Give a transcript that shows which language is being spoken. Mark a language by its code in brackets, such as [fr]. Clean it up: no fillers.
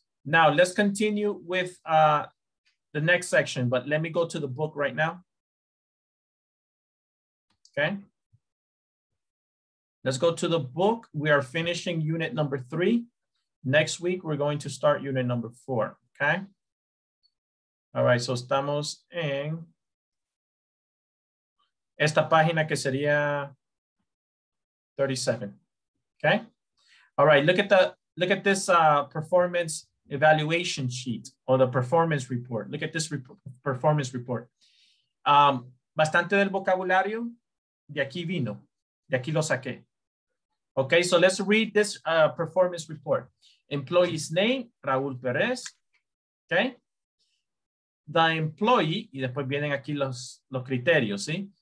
[en] Now let's continue with the next section, but let me go to the book right now. Okay. Let's go to the book. We are finishing unit number 3. Next week, we're going to start unit number 4, okay? All right, so [es] estamos en esta página que sería 37, okay? [en] All right, look at this performance evaluation sheet or the performance report. Look at this performance report. [es] Bastante del vocabulario de aquí vino, de aquí lo saqué. [en] Okay, so let's read this performance report. Employee's name, Raúl Pérez. Okay. The employee, [es] y después vienen aquí los criterios, ¿sí?